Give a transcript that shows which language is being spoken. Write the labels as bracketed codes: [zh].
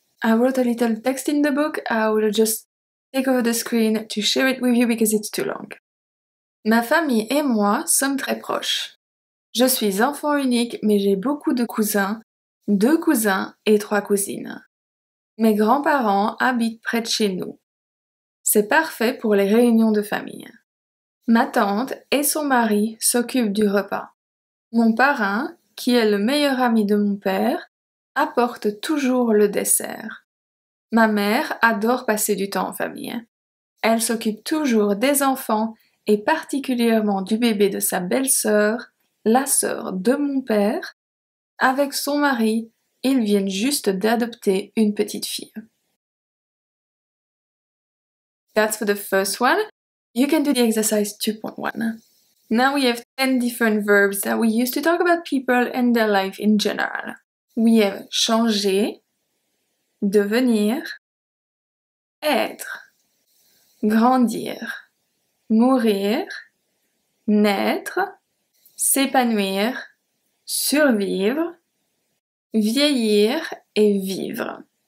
[en] I wrote a little text in the book. I will just take over the screen to share it with you because it's too long. [fr] Ma famille et moi sommes très proches. Je suis enfant unique, mais j'ai beaucoup de cousins, deux cousins et trois cousines. Mes grands-parents habitent près de chez nous. C'est parfait pour les réunions de famille. Ma tante et son mari s'occupent du repas. Mon parrain, qui est le meilleur ami de mon père, apporte toujours le dessert. Ma mère adore passer du temps en famille. Elle s'occupe toujours des enfants et particulièrement du bébé de sa belle-sœur, la sœur de mon père. Avec son mari, ils viennent juste d'adopter une petite fille. [en] That's for the first one. You can do the exercise 2.1. Now we have 10 different verbs that we use to talk about people and their life in general. We have [fr] changer, devenir, être, grandir, mourir, naître, s'épanouir, survivre, vieillir et vivre.